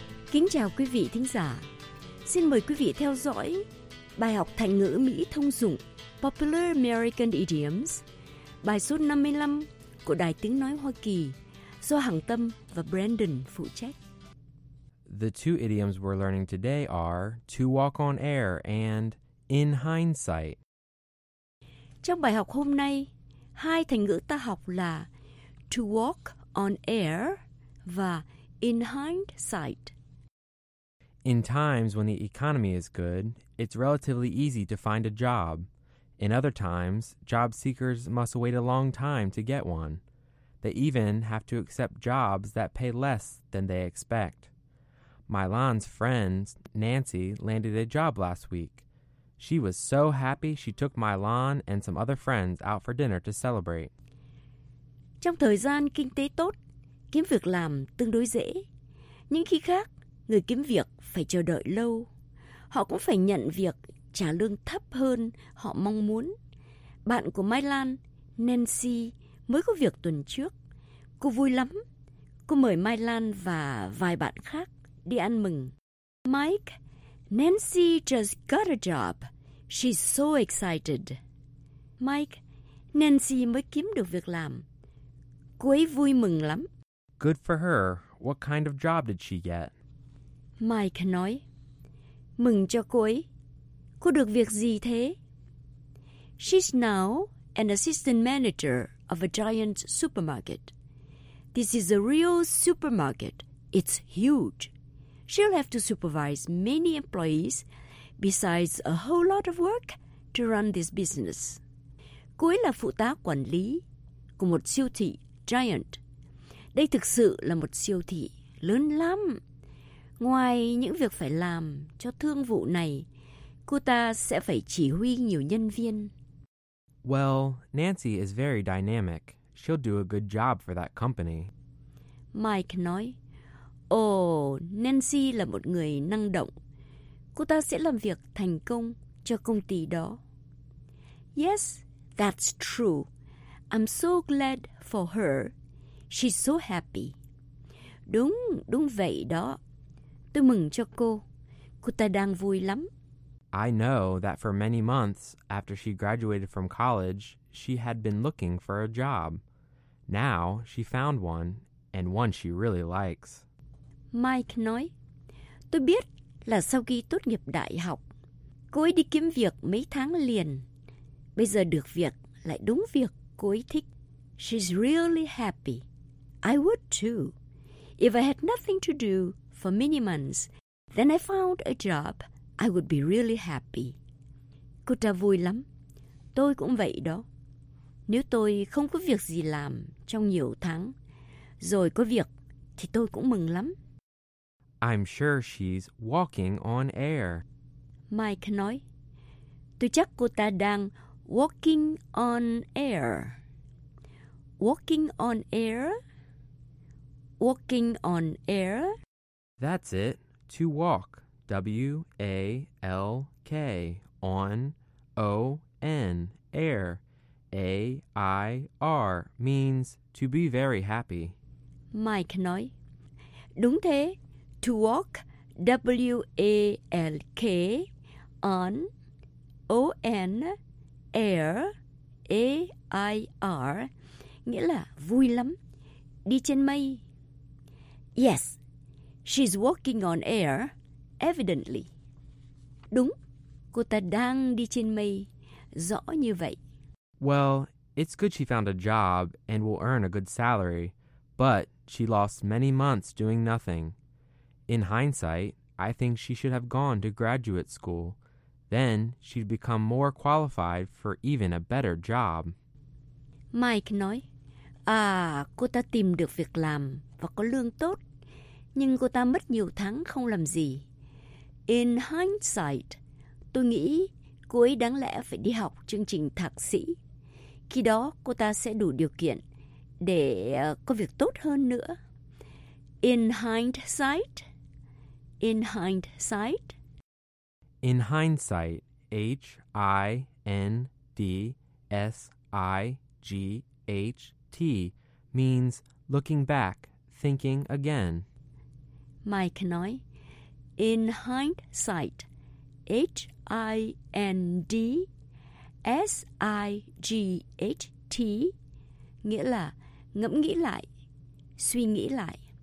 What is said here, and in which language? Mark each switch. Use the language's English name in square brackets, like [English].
[Vietnamese] Kính chào quý vị thính giả. Xin mời quý vị theo dõi bài học thành ngữ Mỹ thông dụng Popular American Idioms, bài số 55 của Đài Tiếng Nói Hoa Kỳ do Hằng Tâm và Brandon phụ trách. [English] The two idioms we're learning today are to walk on air and In hindsight. [Vietnamese] Trong bài học hôm nay, hai thành ngữ ta học là [English] to walk on air [Vietnamese] và [English] in hindsight. In times when the economy is good, it's relatively easy to find a job. In other times, job seekers must wait a long time to get one. They even have to accept jobs that pay less than they expect. Milan's friend, Nancy, landed a job last week. She was so happy she took Milan and some other friends out for dinner to celebrate. [Vietnamese] Trong thời gian kinh tế tốt, kiếm việc làm tương đối dễ. Những khi khác, người kiếm việc phải chờ đợi lâu. Họ cũng phải nhận việc trả lương thấp hơn họ mong muốn. Bạn của Milan, Nancy, mới có việc tuần trước. Cô vui lắm. Cô mời Milan và vài bạn khác đi ăn mừng. [English] Mike, Nancy just got a job. She's so excited. [Vietnamese] Mike, Nancy mới kiếm được việc làm. Cô ấy vui mừng lắm. [English] Good for her. What kind of job did she get? [Vietnamese] Mike nói, mừng cho cô ấy. Cô được việc gì thế? [English] She's now an assistant manager of a giant supermarket. This is a real supermarket. It's huge. She'll have to supervise many employees besides a whole lot of work to run this business. [Vietnamese] Cô ấy là phụ tá quản lý của một siêu thị [English] giant. [Vietnamese] Đây thực sự là một siêu thị lớn lắm. Ngoài những việc phải làm cho thương vụ này, cô ta sẽ phải chỉ huy nhiều nhân viên. [English] Well, Nancy is very dynamic. She'll do a good job for that company. [Vietnamese] Mike nói, Nancy là một người năng động. Cô ta sẽ làm việc thành công cho công ty đó. [English] Yes, that's true. I'm so glad for her. She's so happy. [Vietnamese] Đúng, đúng vậy đó. Tôi mừng cho cô. Cô ta đang vui lắm. [English] I know that for many months after she graduated from college, she had been looking for a job. Now she found one, and one she really likes. [Vietnamese] Mike nói, tôi biết là sau khi tốt nghiệp đại học, cô ấy đi kiếm việc mấy tháng liền. Bây giờ được việc lại đúng việc cô ấy thích. [English] She's really happy. I would too. If I had nothing to do for many months, then I found a job, I would be really happy. [Vietnamese] Cô ta vui lắm. Tôi cũng vậy đó. Nếu tôi không có việc gì làm trong nhiều tháng, rồi có việc, thì tôi cũng mừng lắm. [English] I'm sure she's walking on air. [Vietnamese] Mike nói, tôi chắc cô ta đang [English] walking on air. Walking on air? Walking on air? That's it. To walk. W-A-L-K, on, O-N, air, A-I-R, means to be very happy. [Vietnamese] Mike nói, đúng thế, [English] to walk, W-A-L-K, on, O-N, air, A-I-R, [Vietnamese] nghĩa là vui lắm, đi trên mây. [English] Yes, she's walking on air. Evidently. [Vietnamese] Đúng, cô ta đang đi trên mây, rõ như vậy. [English] Well, it's good she found a job and will earn a good salary, but she lost many months doing nothing. In hindsight, I think she should have gone to graduate school. Then she'd become more qualified for even a better job. [Vietnamese] Mike nói, cô ta tìm được việc làm và có lương tốt, nhưng cô ta mất nhiều tháng không làm gì. [English] In hindsight, [Vietnamese] tôi nghĩ cô ấy đáng lẽ phải đi học chương trình thạc sĩ. Khi đó, cô ta sẽ đủ điều kiện để có việc tốt hơn nữa. [English] In hindsight, in hindsight. In hindsight, H-I-N-D-S-I-G-H-T means looking back, thinking again. [Vietnamese] Mike nói, [English] in hindsight, H-I-N-D-S-I-G-H-T, [Vietnamese] nghĩa là ngẫm nghĩ lại, suy nghĩ lại.